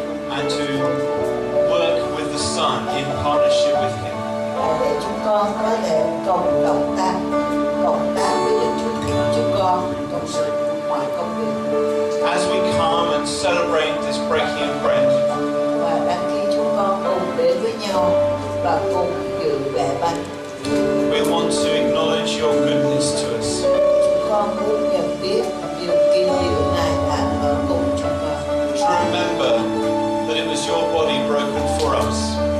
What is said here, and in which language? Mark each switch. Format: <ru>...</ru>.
<en>And to work with the Son in partnership with Him.</en> <vi>Để chúng con có thể cộng tác với Đức Chúa Trời, chúng con cộng sự ngoài công việc.</vi> <en>As we come and celebrate this breaking of bread.</en> <vi>Và đang khi chúng con cùng đến với nhau và cùng dự bè bánh.</vi> <en>We want to acknowledge your goodness to us.</en> <vi>Chúng con muốn nhận biết điều kinh điển Ngài đã ở cùng chúng con.</vi> <en>Remember that it was your body broken for us.</en>